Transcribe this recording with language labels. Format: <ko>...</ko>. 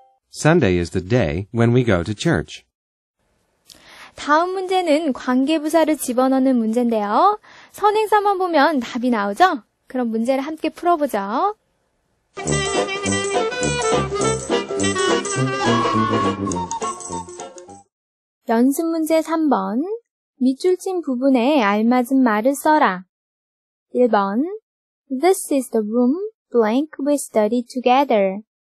<en>Sunday is the day when we go to church.</en> <ko>다음 문제는 관계부사를 집어넣는 문제인데요. 선행사만 보면 답이 나오죠? 그럼 문제를 함께 풀어보죠. (목소리) 연습 문제 3번. 밑줄 친 부분에 알맞은 말을 써라. 1번.</ko> <en>This is the room blank we study together.</en>